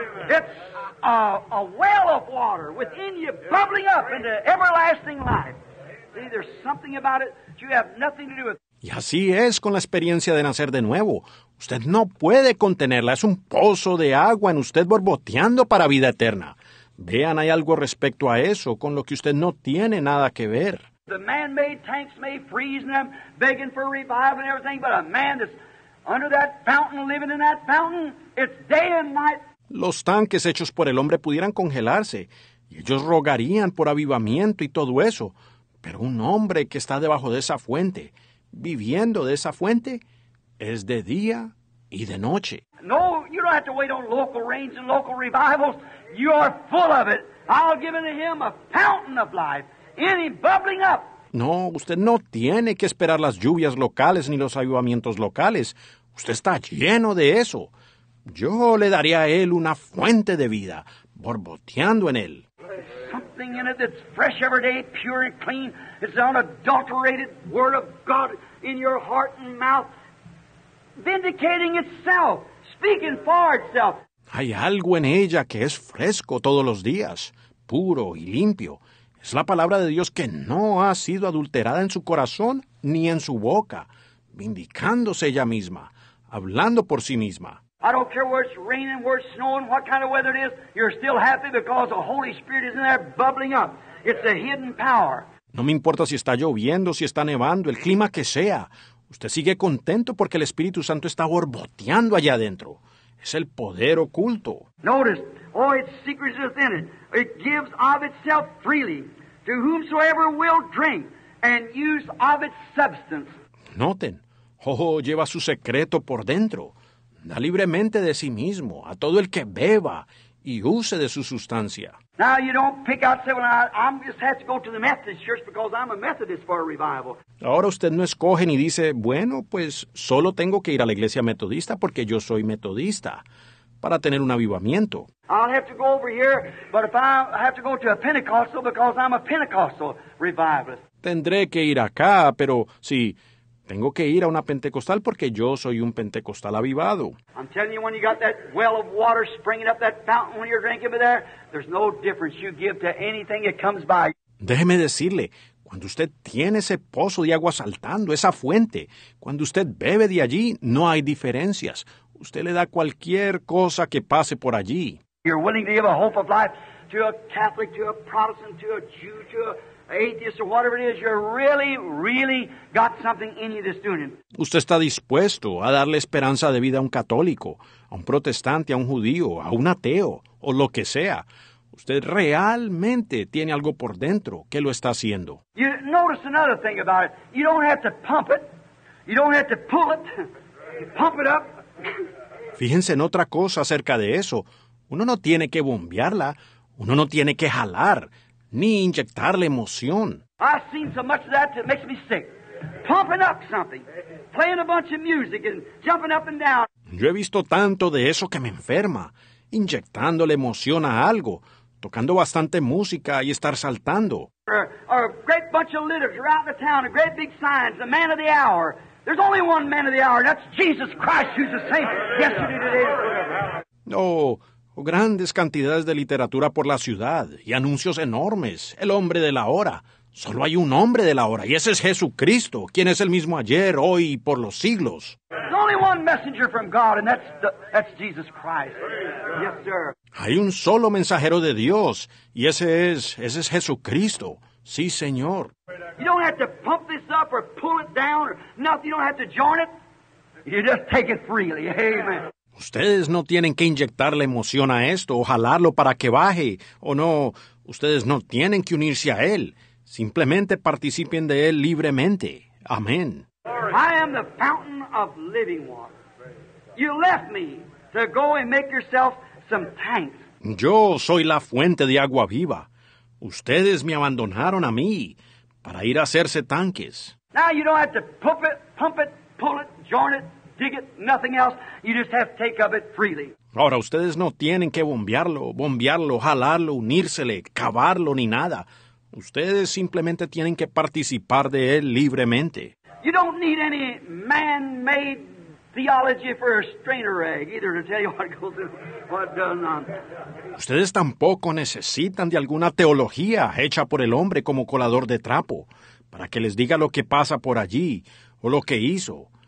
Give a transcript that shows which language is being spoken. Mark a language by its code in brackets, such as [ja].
[en] It's a well of water within you bubbling up into everlasting life. See, there's something about it that you have nothing to do with. [es] Y así es con la experiencia de nacer de nuevo. Usted no puede contenerla. Es un pozo de agua en usted borboteando para vida eterna. Vean, hay algo respecto a eso con lo que usted no tiene nada que ver. [en] The man-made tanks may freeze and I'm begging for revival and everything, but a man that's under that fountain, living in that fountain, it's day and night. [es] Los tanques hechos por el hombre pudieran congelarse y ellos rogarían por avivamiento y todo eso, pero un hombre que está debajo de esa fuente, viviendo de esa fuente, es de día y de noche. [en] No, you don't have to wait on local rains and local revivals. You are full of it. I'll give unto him a fountain of life. Any bubbling up. [es] No, usted no tiene que esperar las lluvias locales ni los avivamientos locales. Usted está lleno de eso. Yo le daría a él una fuente de vida, borboteando en él. [en] Something in it that's fresh every day, pure and clean. It's an unadulterated word of God in your heart and mouth, vindicating itself, speaking for itself. [es] Hay algo en ella que es fresco todos los días, puro y limpio. Es la palabra de Dios que no ha sido adulterada en su corazón ni en su boca, vindicándose ella misma, hablando por sí misma. [en] I don't care where it's raining, where it's snowing, what kind of weather it is, you're still happy because the Holy Spirit is in there bubbling up. It's a hidden power. [es] No me importa si está lloviendo, si está nevando, el clima que sea. Usted sigue contento porque el Espíritu Santo está borboteando allá adentro. Es el poder oculto. [en] Notice, oh, its secrets within it. It gives of itself freely to whomsoever will drink and use of its substance. [es] Noten, lleva su secreto por dentro. Da libremente de sí mismo a todo el que beba y use de su sustancia. [en] Now you don't pick out, say, well, I'm just have to go to the Methodist church because I'm a Methodist for a revival. [es] Ahora usted no escoge ni dice, bueno, pues solo tengo que ir a la iglesia metodista porque yo soy metodista para tener un avivamiento. [en] I'll have to go over here, but if I have to go to a Pentecostal because I'm a Pentecostal revivalist. [es] Tendré que ir acá, pero si tengo que ir a una pentecostal porque yo soy un pentecostal avivado. [en] I'm telling you, when you got that well of water springing up that fountain when you're drinking there, there's no difference you give to anything that comes by. [es] Déjeme decirle, cuando usted tiene ese pozo de agua saltando, esa fuente, cuando usted bebe de allí, no hay diferencias. Usted le da cualquier cosa que pase por allí. [en] You're willing to give a hope of life to a Catholic, to a Protestant, to a Jew, to a atheist or whatever it is, you're really, really got something in you this doing. [es] Usted está dispuesto a darle esperanza de vida a un católico, a un protestante, a un judío, a un ateo, o lo que sea. Usted realmente tiene algo por dentro que lo está haciendo. [en] You notice another thing about it. You don't have to pump it. You don't have to pull it. Pump it up. [es] Fíjense en otra cosa acerca de eso. Uno no tiene que bombearla. Uno no tiene que jalar ni inyectarle emoción. [en] I've seen so much of that that makes me sick. Pumping up something, playing a bunch of music and jumping up and down. [es] Yo he visto tanto de eso que me enferma, inyectándole emoción a algo, tocando bastante música y estar saltando. [en] Or a great bunch of literature out in the town, a great big signs, the man of the hour. There's only one man of the hour, and that's Jesus Christ, who's the same yesterday, today, and forever. [es] O grandes cantidades de literatura por la ciudad y anuncios enormes. El hombre de la hora. Solo hay un hombre de la hora y ese es Jesucristo, quien es el mismo ayer, hoy y por los siglos. [en] There's only one messenger from God, and that's Jesus Christ. Yes, sir. [es] Hay un solo mensajero de Dios y ese es Jesucristo. Sí, señor. [en] You don't have to pump this up or pull it down or nothing. You don't have to join it. You just take it freely. Amen. [es] Ustedes no tienen que inyectarle emoción a esto o jalarlo para que baje. O no, ustedes no tienen que unirse a él. Simplemente participen de él libremente. Amén. [en] I am the fountain of living water. You left me to go and make yourself some tanks. [es] Yo soy la fuente de agua viva. Ustedes me abandonaron a mí para ir a hacerse tanques. [en] Now you don't have to pump it, pull it, join it, dig it, nothing else. You just have to take of it freely. [es] Ahora ustedes no tienen que bombearlo, jalarlo, unírsele, cavarlo ni nada. Ustedes simplemente tienen que participar de él libremente. [en] You don't need any man-made theology for a strainer egg, either, to tell you what goes in, what does not. [es] Ustedes tampoco necesitan de alguna teología hecha por el hombre como colador de trapo para que les diga lo que pasa por allí o lo que hizo.